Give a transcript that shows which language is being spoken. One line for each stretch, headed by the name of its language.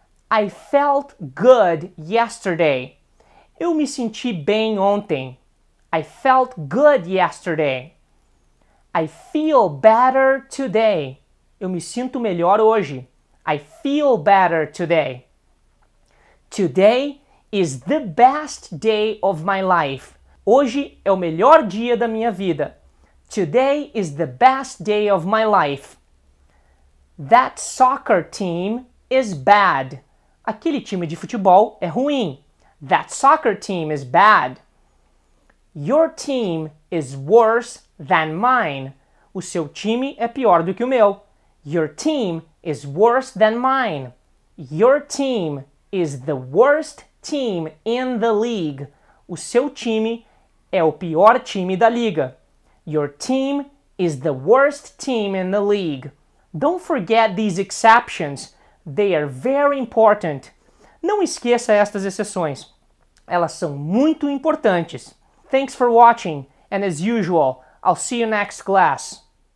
Portuguese: I felt good yesterday. Eu me senti bem ontem.
English: I felt good yesterday. I feel better today.
Portuguese: Eu me sinto melhor hoje. I feel better today.
English: Today is the best day of my life.
Portuguese: Hoje é o melhor dia da minha vida.
English: Today is the best day of my life.
Portuguese: That soccer team is bad. Aquele time de futebol é ruim.
English: That soccer team is bad. Your team is worse than mine.
Portuguese: O seu time é pior do que o meu.
English: Your team is worse than mine. Your team is the worst team in the league.
Portuguese: O seu time é o pior time da liga.
English: Your team is the worst team in the league. Don't forget these exceptions. They are very important.
Portuguese: Não esqueça estas exceções. Elas são muito importantes. Thanks for watching, and as usual, I'll see you next class.